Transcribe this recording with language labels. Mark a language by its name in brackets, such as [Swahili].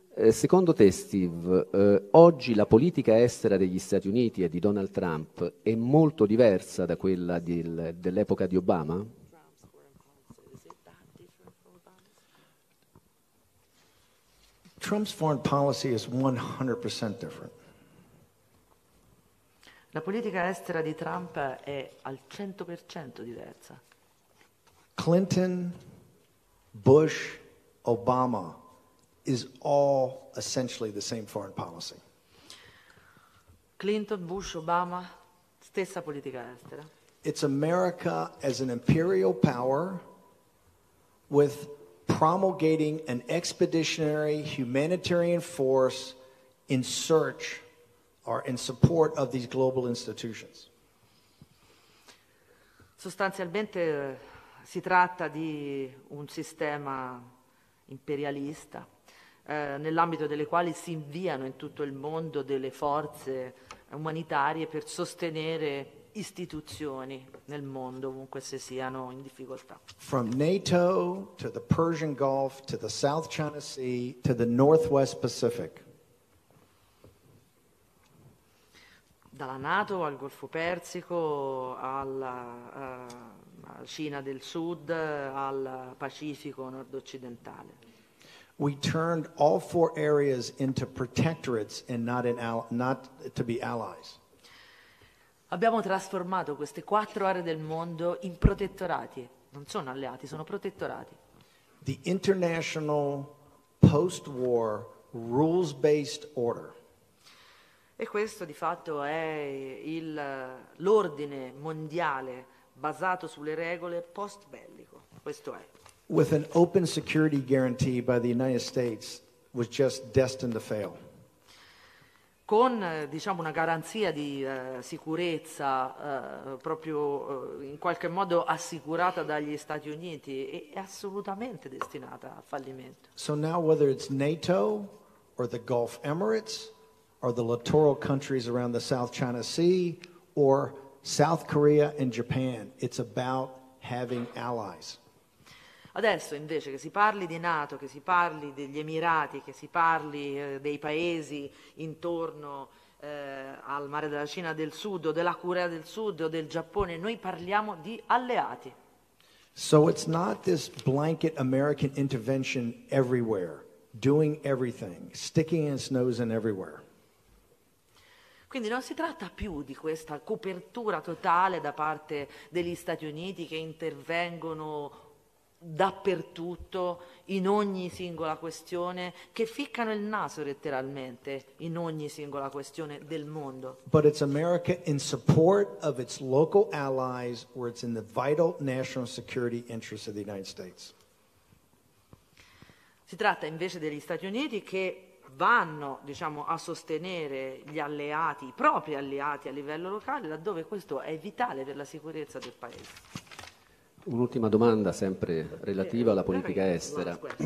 [Italian] Secondo te, Steve, oggi la politica estera degli Stati Uniti e di Donald Trump è molto diversa da quella dell'epoca di Obama? [English] Trump's foreign policy is 100% different. [Italian] La politica estera di Trump è al 100% diversa. [English] Clinton, Bush, Obama is all essentially the same foreign policy. [Italian] Clinton, Bush, Obama, stessa politica estera. [English] It's America as an imperial power with promulgating an expeditionary humanitarian force in search or in support of these global institutions. [Italian] Sostanzialmente si tratta di un sistema imperialista nell'ambito delle quali si inviano in tutto il mondo delle forze umanitarie per sostenere istituzioni nel mondo ovunque se siano in difficoltà. [English] From NATO to the Persian Gulf to the South China Sea to the Northwest Pacific. [Italian] dalla NATO al Golfo Persico, alla Cina del Sud, al Pacifico nord-occidentale. [English] We turned all four areas into protectorates and not to be allies. [Italian] Abbiamo trasformato queste quattro aree del mondo in protettorati. Non sono alleati, sono protettorati. [English] The international post-war rules-based order. [Italian] E questo di fatto è l'ordine mondiale basato sulle regole post-bellico. Questo è. [English] With an open security guarantee by the United States was just destined to fail. [Italian] Con, diciamo, una garanzia di sicurezza proprio in qualche modo assicurata dagli Stati Uniti è assolutamente destinata a fallimento. [English] So now whether it's NATO or the Gulf Emirates or the littoral countries around the South China Sea or South Korea and Japan, it's about having allies. [Italian] Adesso invece che si parli di NATO, che si parli degli Emirati, che si parli dei paesi intorno al mare della Cina del Sud o della Corea del Sud o del Giappone, noi parliamo di alleati. [English] So it's not this blanket American intervention everywhere, doing everything, sticking its nose in everywhere. [Italian] Quindi non si tratta più di questa copertura totale da parte degli Stati Uniti che intervengono dappertutto, in ogni singola questione, che ficcano il naso letteralmente in ogni singola questione del mondo. [English] But it's America in support of its local allies where it's in the vital national security interests of the United States. [Italian] Si tratta invece degli Stati Uniti che vanno, diciamo, a sostenere gli alleati, i propri alleati a livello locale, laddove questo è vitale per la sicurezza del paese. Un'ultima domanda sempre relativa alla politica estera.